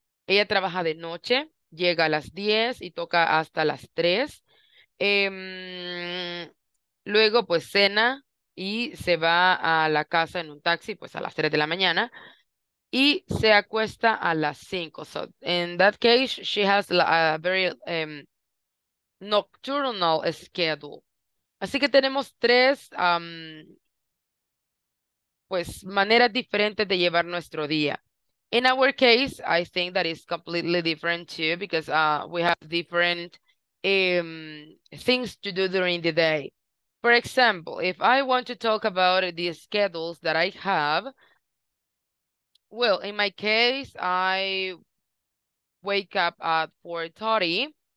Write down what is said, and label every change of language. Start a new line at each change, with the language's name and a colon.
Spanish: Ella trabaja de noche, llega a las 10 y toca hasta las 3. Luego, pues, cena. Y se va a la casa en un taxi, pues a las 3 de la mañana. Y se acuesta a las 5.
English: So, in that case, she has a very nocturnal schedule.
Spanish: Así que tenemos tres pues maneras diferentes de llevar nuestro día.
English: In our case, I think that is completely different too, because we have different things to do during the day. For example, if I want to talk about the schedules that I have, well, in my case, I wake up at 4:30.